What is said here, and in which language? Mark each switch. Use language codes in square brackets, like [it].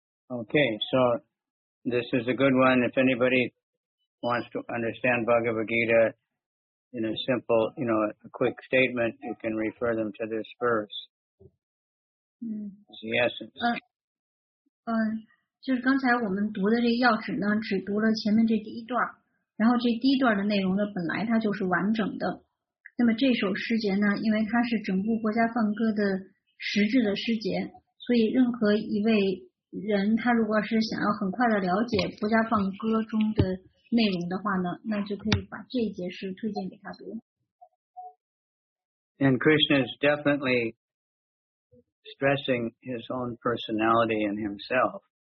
[en] Okay, so this is a good one. If anybody wants to understand Bhagavad Gita in a simple, you know, a quick statement, you can refer them to this verse. It's the essence. [zh] 就是刚才我们读的这个要旨呢，只读了前面这第一段，然后这第一段的内容呢，本来它就是完整的。那么这首诗节呢，因为它是整部国家放歌的实质的诗节，所以任何一位人他如果是想要很快的了解国家放歌中的内容的话呢，那就可以把这一节诗推荐给他读。 [en] And Krishna is definitely stressing his own personality in himself.